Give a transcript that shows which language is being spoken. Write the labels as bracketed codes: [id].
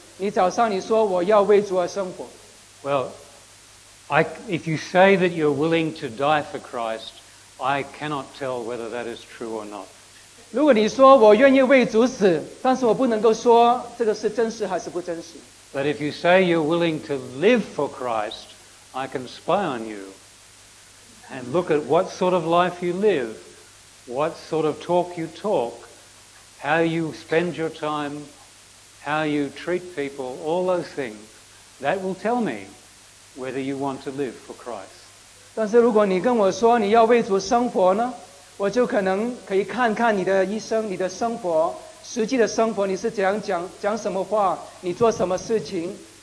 [zh] 所以问题是,你要做一个抉择。你要怎样过你的生活,度过你的人生,你早上你说我要为主而生活。 [en] Well, if you say that you're willing to die for Christ, I cannot tell whether that is true or not. [zh] 如果你说我愿意为主死,但是我不能够说这个是真实还是不真实。 [en] But if you say you're willing to live for Christ, I can spy on you. And look at what sort of life you live, what sort of talk you talk, how you spend your time, how you treat people, all those things. That will tell me whether you want to live for Christ. [zh] 但是如果你跟我说你要为主生活呢, 我就可能可以看看你的一生,你的生活, 实际的生活你是怎样讲什么话, 你做什么事情。